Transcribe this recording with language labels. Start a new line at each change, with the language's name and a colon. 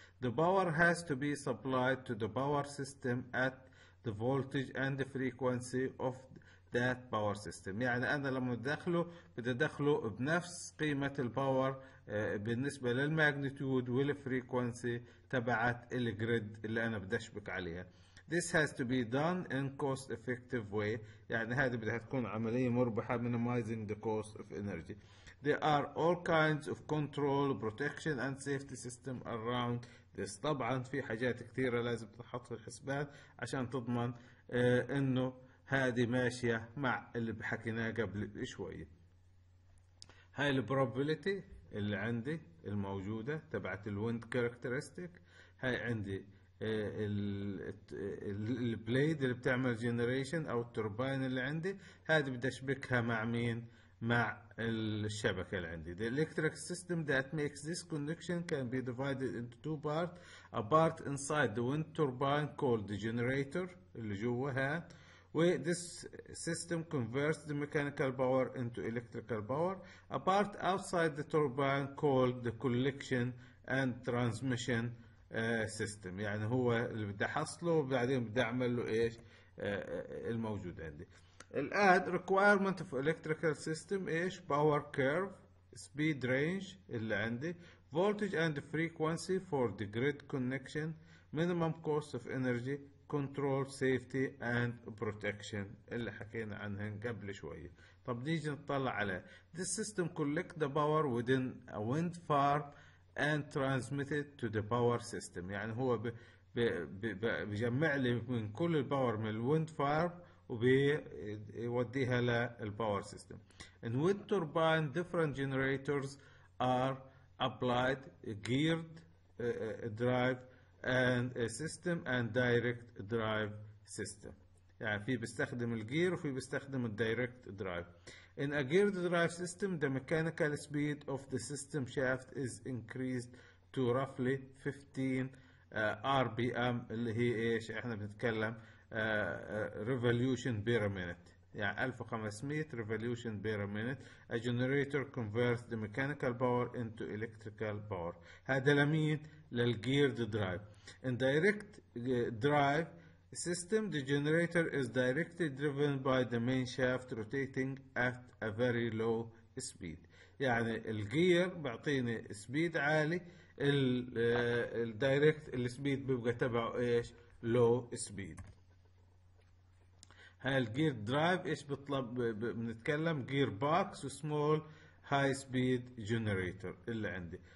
English: The power has to be supplied to the power system at the voltage and the frequency of that power system.
Arabic: يعني انا لما ادخله بدي ادخله بنفس قيمة الباور بالنسبة للماجنتيود والفريكوانسي تبعت الجريد اللي انا بدي اشبك عليها.
English: This has to be done in cost-effective way.
Arabic: يعني هذه بدها تكون عملية مربحة،
English: minimizing the cost of energy. There are all kinds of control, protection, and safety system around this.
Arabic: طبعا في حاجات كثيرة لازم تحط في الحسبان عشان تضمن إنه هذه ماشية مع اللي بحكيناه قبل شوية. هاي probability اللي عندي الموجودة تبعت الwind characteristic. هاي عندي البلايد اللي بتعمل جينيريشن او التوربين اللي عندي. هذه بدي اشبكها مع مين؟ مع الشبكه اللي عندي.
English: The electric system that makes this connection can be divided into two parts. A part inside the wind turbine called the generator
Arabic: اللي جوه ها.
English: Where this system converts the mechanical power into electrical power. A part outside the turbine called the collection and transmission system.
Arabic: يعني هو اللي بدي حصله وبعدين بدي اعمل له ايش الموجود عندي. الان
English: requirement of electrical system
Arabic: ايش؟
English: power curve, speed range
Arabic: اللي عندي,
English: voltage and frequency for the grid connection, minimum cost of energy, control, safety and protection
Arabic: اللي حكينا عنهن قبل شوية. طب نيجي نطلع على
English: this system collect the power within a wind farm and transmitted to the power system.
Arabic: يعني هو بجمع لي من كل الباور من الويند فارم وبيوديها للباور سيستم.
English: In wind turbine different generators are applied, geared drive and system and direct drive system.
Arabic: يعني في بيستخدم الجير وفي بيستخدم الدايركت درايف.
English: In a geared drive system the mechanical speed of the system shaft is increased to roughly 15 RPM
Arabic: اللي هي ايش احنا بنتكلم
English: revolution per minute،
Arabic: يعني
English: 1500 revolution per minute. A generator converts the mechanical power into electrical power.
Arabic: هذا لمين؟ للجيرد درايف.
English: In direct drive system the generator is directly driven by the main shaft rotating at a very low speed.
Arabic: يعني الجير بيعطيني سبيد عالي، الدايركت السبيد بيبقى تبعه ايش؟ لو سبيد. هاي الجير درايف ايش بيطلب؟ بنتكلم جير باكس وسمول هاي سبيد جنريتور اللي عندي.